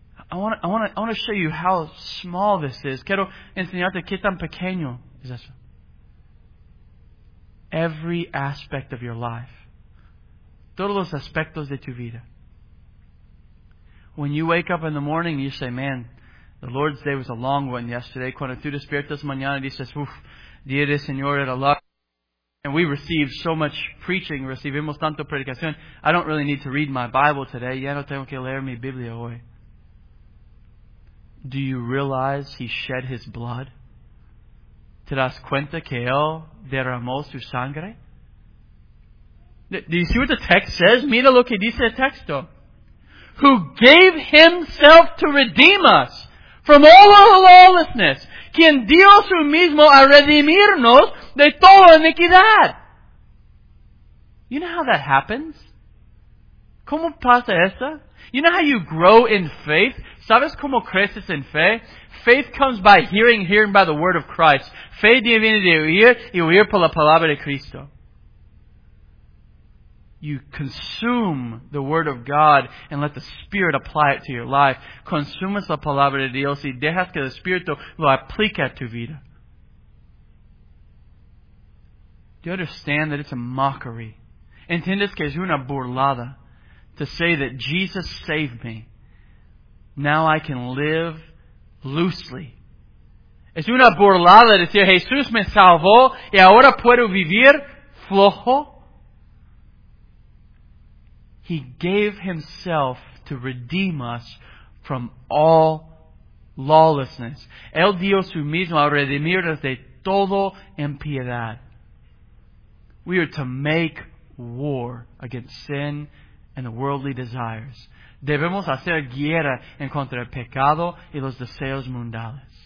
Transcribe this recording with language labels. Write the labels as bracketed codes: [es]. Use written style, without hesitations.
[en] I want to show you how small this is. [es] Quiero enseñarte qué tan pequeño es eso. [en] Every aspect of your life. [es] Todos los aspectos de tu vida. [en] When you wake up in the morning, you say, man, the Lord's day was a long one yesterday. [es] Cuando tú despiertas mañana, dices, uff, día de Señor era largo. [en] And we receive so much preaching, [es] recibimos tanto predicación. [en] I don't really need to read my Bible today. [es] Ya no tengo que leer mi Biblia hoy. [en] Do you realize He shed His blood? [es] ¿Te das cuenta que Él derramó su sangre? [en] Do you see what the text says? [es] Mira lo que dice el texto. [en] Who gave Himself to redeem us from all our lawlessness. [es] Quien dio su mismo a redimirnos de toda iniquidad. [en] You know how that happens? [es] ¿Cómo pasa eso? [en] You know how you grow in faith? [es] ¿Sabes cómo creces en fe? [en] Faith comes by hearing by the word of Christ. [es] Fe viene de oír y oír por la palabra de Cristo. [en] You consume the word of God and let the Spirit apply it to your life. [es] Consumes la palabra de Dios y dejas que el Espíritu lo aplique a tu vida. [en] Do you understand that it's a mockery? [es] ¿Entiendes que es una burlada? [en] To say that Jesus saved me. Now I can live loosely. [es] Es una burlada decir, Jesús me salvó y ahora puedo vivir flojo. [en] He gave Himself to redeem us from all lawlessness. [es] Él dio su mismo a redimirnos de todo impiedad. [en] We are to make war against sin and the worldly desires. [es] Debemos hacer guerra en contra del pecado y los deseos mundales.